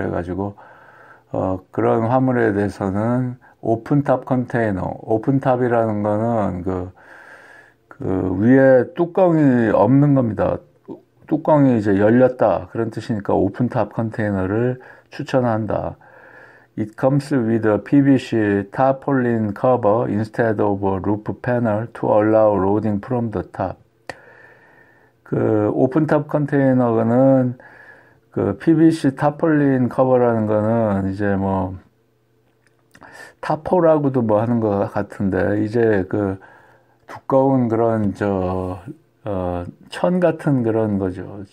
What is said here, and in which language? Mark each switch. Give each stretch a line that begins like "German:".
Korean: 그래가지고, 그런 화물에 대해서는 오픈탑 컨테이너. 오픈탑이라는 거는 위에 뚜껑이 없는 겁니다. 뚜껑이 이제 열렸다. 그런 뜻이니까 오픈탑 컨테이너를 추천한다.
English: It comes with a PVC tarpaulin cover instead of a roof panel to allow loading from the top.
Korean: 오픈탑 컨테이너는 PVC 타폴린 커버라는 거는 이제 뭐 타포라고도 뭐 하는 것 같은데 이제 두꺼운 그런 천 같은 그런 거죠.